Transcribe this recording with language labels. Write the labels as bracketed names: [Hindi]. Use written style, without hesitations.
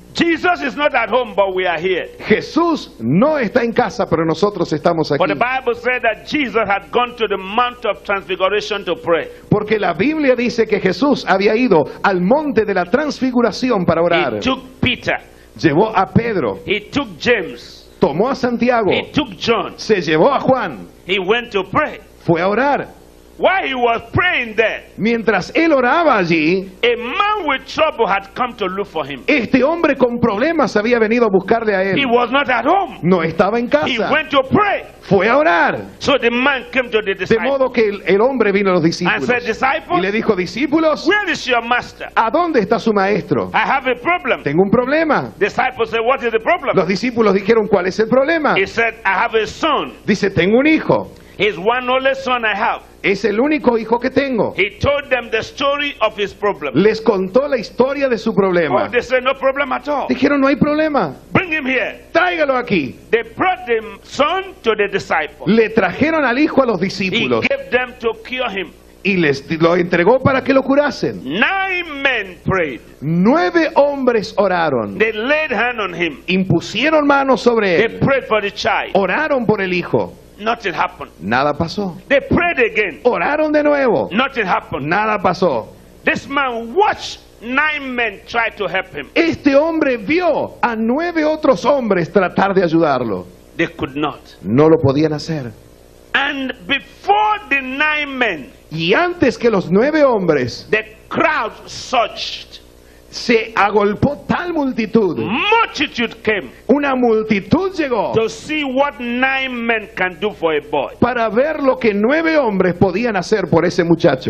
[English] Jesus is not at home, but we are here. [Spanish] Jesús no está en casa, pero nosotros estamos aquí. [English] But the Bible said that Jesus had gone to the Mount of Transfiguration to pray. [Spanish] Porque la Biblia dice que Jesús había ido al Monte de la Transfiguración para orar. [English] He took Peter. [Spanish] Llevó a Pedro. [English] He took James. [Spanish] Tomó a Santiago. [English] He took John. [Spanish] Se llevó a Juan. [English] He went to pray. [Spanish] Fue a orar. [English] While he was praying there, [Spanish] mientras él oraba allí, [English] a man with trouble had come to look for him. [Spanish] Este hombre con problemas había venido a buscarle a él. [English] He was not at home. [Spanish] No estaba en casa. [English] He went to pray. [Spanish] Fue a orar. [English] So the man came to the disciples. [Spanish] De modo que el hombre vino a los discípulos. [English] And said, disciples, [Spanish] y le dijo, discípulos, [English] where is your master? [Spanish] ¿A dónde está su maestro? [English] I have a problem. [Spanish] Tengo un problema. [English] Disciples said, what is the problem? [Spanish] Los discípulos dijeron, ¿cuál es el problema? [English] He said, I have a son. [Spanish] Dice, tengo un hijo. [English] He's one only son I have. [Spanish] Es el único hijo que tengo. [English] He told them the story of his problem. [Spanish] Les contó la historia de su problema. [English] Oh, they said no problem at all. [Spanish] Dijeron no hay problema. [English] Bring him here. [Spanish] Tráigalo aquí. [English] They brought the son to the disciples. [Spanish] Le trajeron al hijo a los discípulos. [English] He gave them to cure him. [Spanish] Y les lo entregó para que lo curasen. [English] 9 men prayed. [Spanish] 9 hombres oraron. [English] They laid hand on him. [Spanish] Impusieron manos sobre él. [English] They prayed for the child. [Spanish] Oraron por el hijo. [English] Nothing happened. [Spanish] Nada pasó. [English] They prayed again. [Spanish] Oraron de nuevo. [English] Nothing happened. [Spanish] Nada pasó. [English] This man watched 9 men try to help him. [Spanish] Este hombre vio a 9 otros hombres tratar de ayudarlo. [English] They could not. [Spanish] No lo podían hacer. [English] And before the 9 men, [Spanish] y antes que los 9 hombres, [English] the crowd surged. [Spanish] Se agolpó tal multitud. [English] Multitude came. [Spanish] Una multitud llegó. [English] To see what 9 men can do for a boy. [Spanish] Para ver lo que 9 hombres podían hacer por ese muchacho.